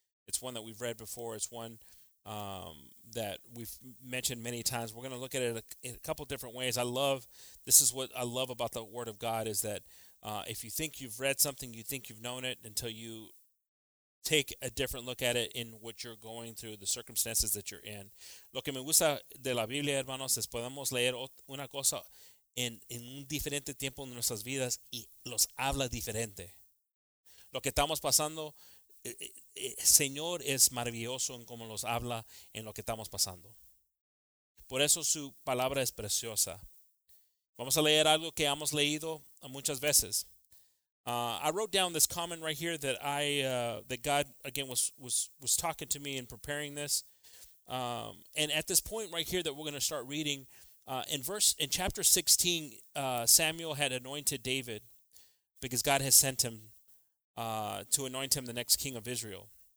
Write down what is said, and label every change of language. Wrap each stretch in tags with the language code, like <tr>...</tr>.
<en>It's one that we've read before. It's one that we've mentioned many times. We're going to look at it in a couple different ways. This is what I love about the Word of God, is that if you think you've read something, you think you've known it until you take a different look at it in what you're going through, the circumstances that you're in.</en> <es>Lo que me gusta de la Biblia, hermanos, es podemos leer una cosa en un diferente tiempo en nuestras vidas y los habla diferente. Lo que estamos pasando, Señor es maravilloso en cómo los habla en lo que estamos pasando. Por eso su palabra es preciosa. Vamos a leer algo que hemos leído muchas veces.</es> <en>I wrote down this comment right here that that God, again, was talking to me in preparing this. And at this point right here that we're going to start reading, in chapter 16, Samuel had anointed David because God has sent him to anoint him the next king of Israel.</en>